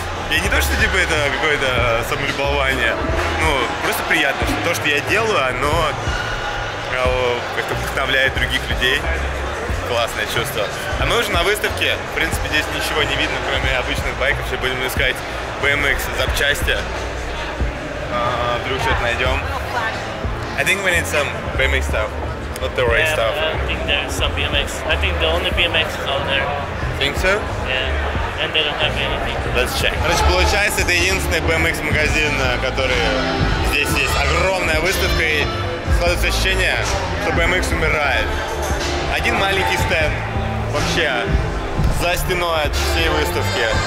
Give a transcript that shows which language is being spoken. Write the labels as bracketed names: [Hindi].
[Russian] И не то, что типа это какое-то самолюбование, ну, просто приятно, что то, что я делаю, оно как-то вдохновляет других людей. Классное чувство. А мы уже на выставке, в принципе, здесь ничего не видно, кроме обычных байков, все будем искать BMX запчасти. Вдруг что-то найдем. [English] I think we need some BMX stuff, not the right stuff. I think there's some BMX. I think the only BMX is out there. Think so? Yeah. And they don't have anything. Let's check. [Russian] Короче, получается, это единственный BMX магазин, который здесь есть. Огромная выставка, и складывается ощущение, что BMX умирает. Один маленький стенд вообще за стеной от всей выставки.